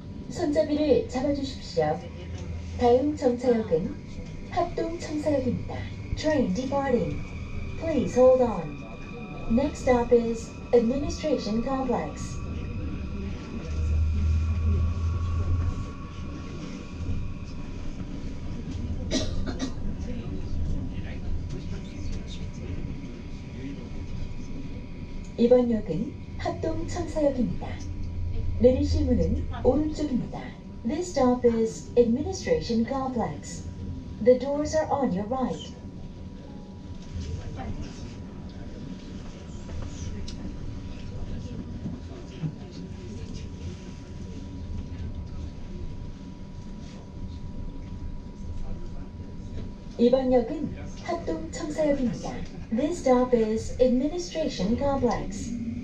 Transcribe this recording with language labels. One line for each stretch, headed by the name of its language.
Korean: 손잡이를 잡아주십시오. 다음 정차역은 합동청사역입니다.
English: Train departing. Please hold on. Next stop is Administration Complex.
Korean: 이번 역은 합동청사역입니다. 내리실 문은 오른쪽입니다.
English: This stop is Administration Complex. The doors are on your right.
Korean: 이번 역은 합동청사역입니다.
English: This stop is Administration Complex.